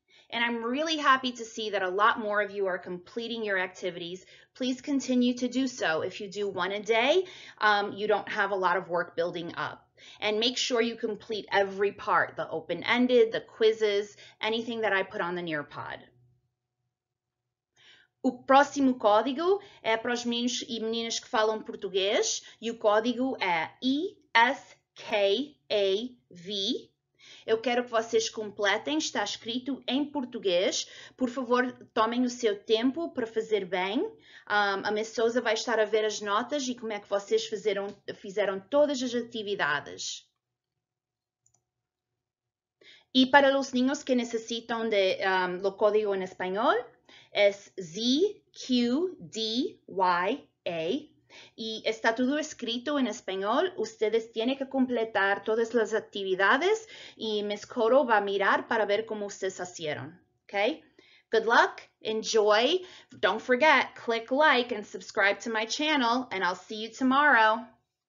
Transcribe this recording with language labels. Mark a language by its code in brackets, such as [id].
[en] And I'm really happy to see that a lot more of you are completing your activities. Please continue to do so. If you do one a day, you don't have a lot of work building up. And make sure you complete every part, the open-ended, the quizzes, anything that I put on the Nearpod. [pt] O próximo código é para os meninos e meninas que falam português. E o código é ESKAV. Eu quero que vocês completem. Está escrito em português. Por favor, tomem o seu tempo para fazer bem. A Miss Souza vai estar a ver as notas e como é que vocês fizeram todas as atividades. E para os meninos que necessitam de do código em espanhol, S-Z-Q-D-Y-A. [es] Y está todo escrito en español. Ustedes tienen que completar todas las actividades y Miss Coro va a mirar para ver cómo ustedes hicieron. [en] Okay? Good luck. Enjoy. Don't forget, click like and subscribe to my channel, and I'll see you tomorrow.